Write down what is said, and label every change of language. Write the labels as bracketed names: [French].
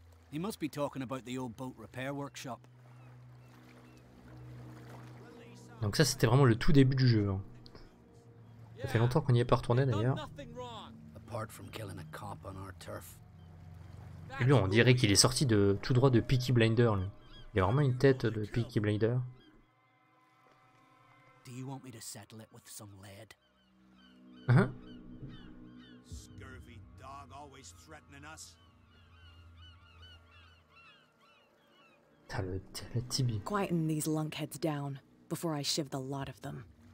[English] He must be talking about the old boat repair workshop. [French] Donc ça, c'était vraiment le tout début du jeu. Ça fait longtemps qu'on n'y est pas retourné, d'ailleurs. [English] Apart from killing a cop on our turf. [French] Et lui, on dirait qu'il est sorti de tout droit de Peaky Blinders. Il a vraiment une tête de Peaky Blinders. [English] Do you want me to settle it with some lead? Scurvy dog always threatening us. [French] T'as le tibi. [English] Quieten these lunkheads down before I shiv the lot of them.